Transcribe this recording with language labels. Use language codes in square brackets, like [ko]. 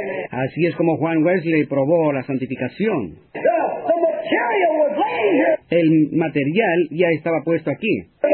[es] Así es como Juan Wesley probó la santificación. [en] The material was laying here. [es] El material ya estaba puesto aquí.